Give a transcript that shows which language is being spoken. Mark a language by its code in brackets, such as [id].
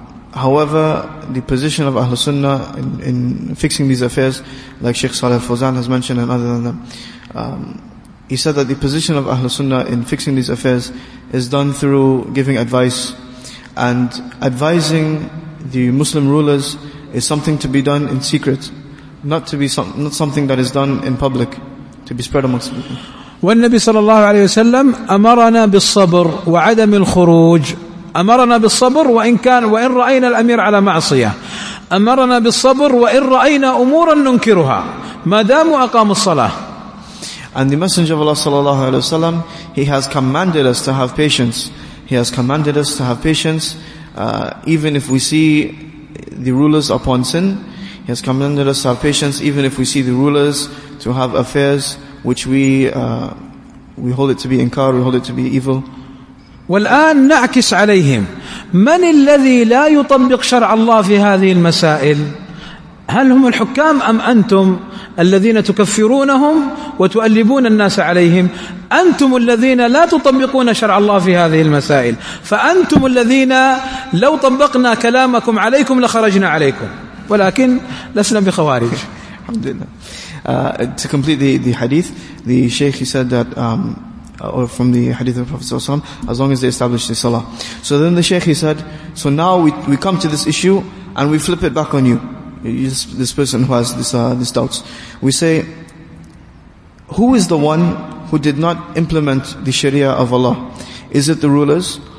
[en] However, the position of Ahlul Sunnah in fixing these affairs, like Sheikh Saleh Fawzan has mentioned and other than them, he said that the position of Ahlul Sunnah in fixing these affairs is done through giving advice. And advising the Muslim rulers is something to be done in secret, not something that is done in public, to be spread amongst people. [ar] وَالنَّبِي صَلَى اللَّهُ عَلَيْهِ وَسَلَّمْ أَمَرَنَا بِالصَّبْرِ وَعَدَمِ الْخُرُوجِ. أمرنا بالصبر وإن رأينا الأمير على معصية، أمرنا بالصبر وإن رأينا أمورا ننكرها ما دام أقام الصلاة. [en] And the Messenger of Allah [ar] صلى الله عليه وسلم, [en] he has commanded us to have patience. He has commanded us to have patience, even if we see the rulers upon sin. He has commanded us to have patience, even if we see the rulers to have affairs which we hold it to be inkar, we hold it to be evil. [ar] والآن نعكس عليهم من الذي لا يطبق شرع الله في هذه المسائل؟ هل هم الحكام أم أنتم الذين تكفرونهم وتؤلبون الناس عليهم؟ أنتم الذين لا تطبقون شرع الله في هذه المسائل، فأنتم الذين لو طبقنا كلامكم عليكم لخرجنا عليكم. ولكن لسنا بخوارج. الحمد لله. [en] To complete the hadith, the Sheikh, he said that or from the hadith of the Prophet ﷺ, as long as they establish the salah. So then the Sheikh, he said, so now we come to this issue and we flip it back on you. This person who has this doubts. We say, who is the one who did not implement the Sharia of Allah? Is it the rulers?